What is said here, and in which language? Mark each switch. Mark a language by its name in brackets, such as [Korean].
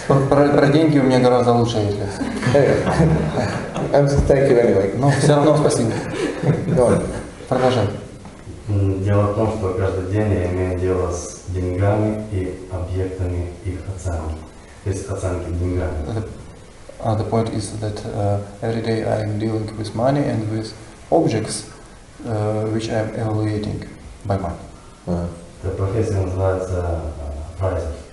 [Russian] Про деньги у меня гораздо лучше есть лекция. [English] I'm just thank you anyway. [Russian] Но все равно спасибо. [English] Go on. [Russian] Продолжай. Дело в том, что каждый день я имею дело с деньгами и объектами их оценки. Без оценки деньгами. [English] The point is that every day I am dealing with money and with objects which I am evaluating by money. The [Russian] профессия называется прайзер.